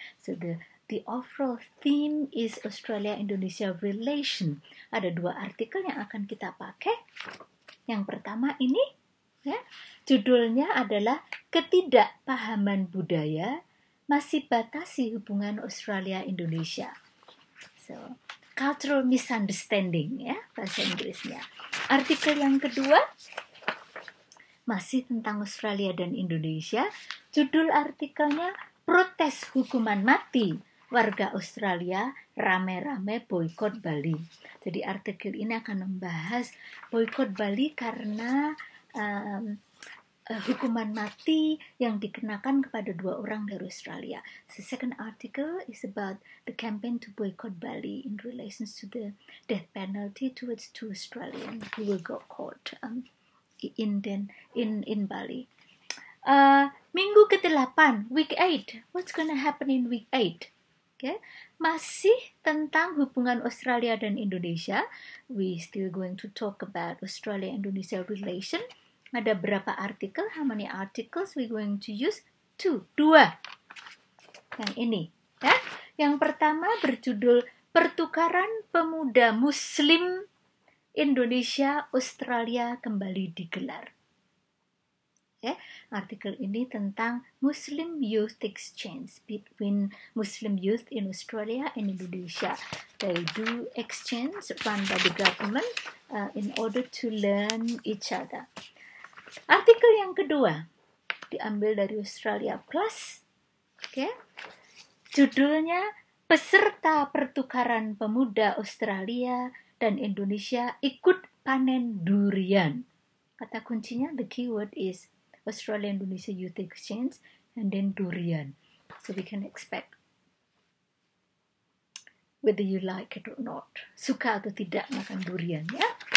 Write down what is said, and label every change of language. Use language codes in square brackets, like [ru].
[en] So the overall theme is Australia-Indonesia relation. [id] Ada dua artikel yang akan kita pakai. Yang pertama ini, ya, judulnya adalah Ketidakpahaman Budaya Masih Batasi Hubungan Australia-Indonesia. [en] So, cultural misunderstanding, [id] ya, bahasa Inggrisnya. Artikel yang kedua, masih tentang Australia dan Indonesia. Judul artikelnya, Protes Hukuman Mati Warga Australia Rame-rame Boikot Bali. Jadi artikel ini akan membahas boikot Bali karena hukuman mati yang dikenakan kepada dua orang dari Australia. [en] The second article is about the campaign to boycott Bali in relation to the death penalty towards two Australians who were got caught in Bali. [id] Minggu ke-8, [en] week 8. What's going to happen in week 8? Okay. [id] Masih tentang hubungan Australia dan Indonesia. [en] We still going to talk about Australia-Indonesia relation. [id] Ada berapa artikel? [en] How many articles we going to use? [id] Dua. Yang ini, ya. Yang pertama berjudul Pertukaran Pemuda Muslim Indonesia Australia Kembali Digelar. Ya, artikel ini tentang [en] Muslim Youth Exchange between Muslim youth in Australia and Indonesia. They do exchange run by the government in order to learn each other. [id] Artikel yang kedua diambil dari Australia Plus. Okay. Judulnya Peserta Pertukaran Pemuda Australia dan Indonesia Ikut Panen Durian. Kata kuncinya, [en] the keyword is Australia-Indonesia Youth Exchange and then durian. So we can expect whether you like it or not. [id] Suka atau tidak makan durian, ya.